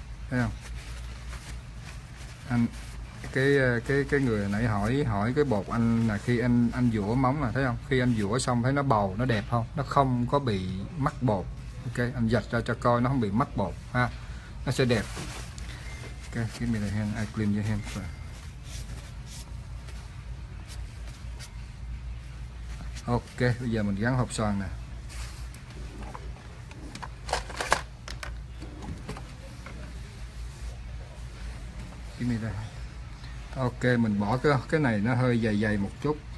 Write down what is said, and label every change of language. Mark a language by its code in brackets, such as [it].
[vi] Thấy không? Anh cái người nãy hỏi cái bột anh là khi anh vũa móng là thấy không, khi anh vũa xong thấy nó bầu, nó đẹp không, nó không có bị mắc bột. Ok, anh dạch ra cho coi nó không bị mắc bột ha, nó sẽ đẹp. [en] Ok, give me the hand, I clean your hand first. [vi] Ok, bây giờ mình gắn hộp xoàn nè. [en] Give me that. [vi] Ok, mình bỏ cái này nó hơi dày dày một chút.